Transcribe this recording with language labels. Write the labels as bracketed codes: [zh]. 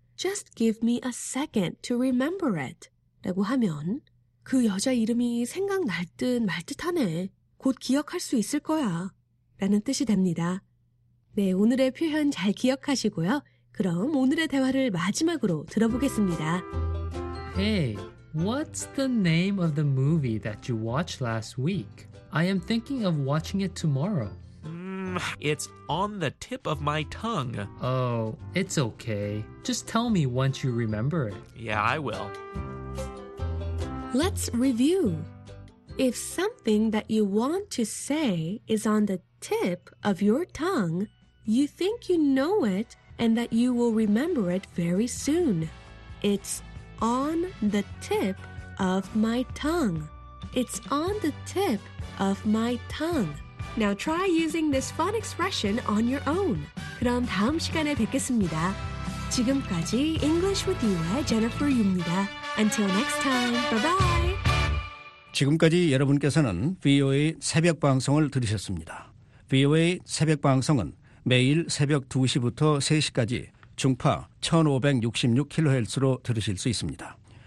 [en] Just give me a second to remember it. [ko] 라고 하면 그 여자 이름이 생각날 듯 말 듯하네. 곧 기억할 수 있을 거야. 라는 뜻이 됩니다. 네, 오늘의 표현 잘 기억하시고요. 그럼 오늘의 대화를 마지막으로 들어보겠습니다. [en] Hey, what's the name of the movie that you watched last week? I am thinking of watching it tomorrow. It's on the tip of my tongue. Oh, it's okay. Just tell me once you remember it. Yeah, I will. Let's review. If something that you want to say is on the tip of your tongue, you think you know it and that you will remember it very soon. It's on the tip of my tongue. It's on the tip of my tongue. Now try using this fun expression on your own. [ko] 그럼 다음 시간에 뵙겠습니다. 지금까지 English with You의 Jennifer Yu입니다. [en] Until next time, bye-bye! [ko] 지금까지 여러분께서는 VOA 새벽 방송을 들으셨습니다. VOA 새벽 방송은 매일 새벽 2시부터 3시까지 중파 1566kHz로 들으실 수 있습니다.